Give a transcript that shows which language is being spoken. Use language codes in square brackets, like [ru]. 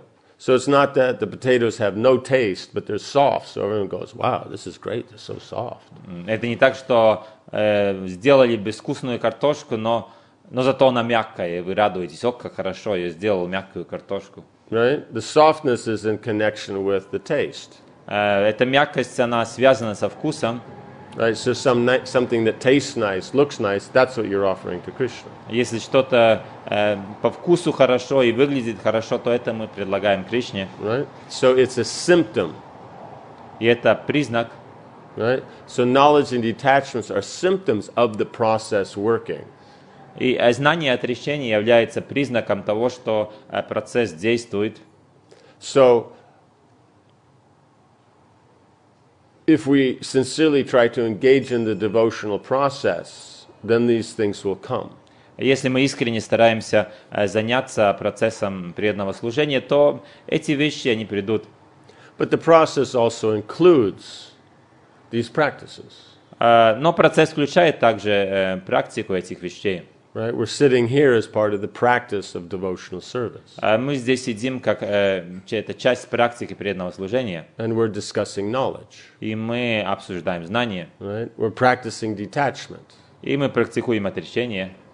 [en] Right. So it's not that the potatoes have no taste, but they're soft. So everyone goes, "Wow, this is great. They're so soft." [ru] Это не так, что сделали безвкусную картошку, но зато она мягкая, и вы радуетесь. О, как хорошо, я сделал мягкую картошку. [en] Right? The softness is in connection with the taste. [ru] Эта мягкость, она связана со вкусом. [en] Right, so something that tastes nice, looks nice, that's what you're offering to Krishna. [ru] Если что-то по вкусу хорошо и выглядит хорошо, то это мы предлагаем Кришне. [en] Right, so it's a symptom. [ru] И это признак. [en] Right, so knowledge and detachments are symptoms of the process working. [ru] И знание отрешения является признаком того, что процесс действует. [en] So, if we sincerely try to engage in the devotional process, then these things will come. [ru] Если мы искренне стараемся заняться процессом преданного служения, то эти вещи они придут. [en] But the process also includes these practices. [ru] Но процесс включает также практику этих вещей. [en] Right, we're sitting here as part of the practice of devotional service. [ru] Мы здесь сидим как это часть практики преданного служения. [en] And we're discussing knowledge. [ru] И мы обсуждаем знания. [en] Right, we're practicing detachment. [ru] И мы практикуем отречение.